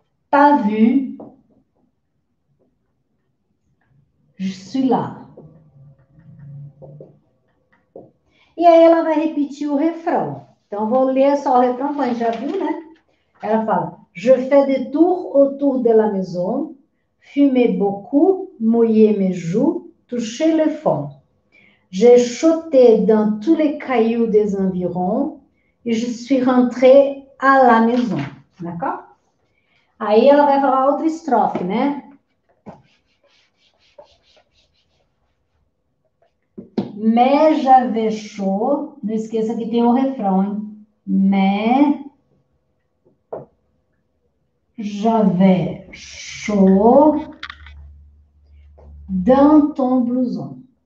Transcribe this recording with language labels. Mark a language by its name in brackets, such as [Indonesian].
[French] T'as vu? Je suis là. [Portuguese] E aí ela vai repetir o refrão. Então vou ler só o refrão, mas já viu, né? [French] Ela fala, je fais des tours autour de la maison, fumé beaucoup, mouillé mes joues, touché le fond. J'ai sauté dans tous les cailloux des environs et je suis rentrée à la maison. D'accord? [Portuguese] Aí ela vai falar outra estrofe, né? [French] Mais j'avais chaud, [Portuguese] não esqueça que tem o refrão, hein? [French] Mais j'avais chaud dans ton blouson.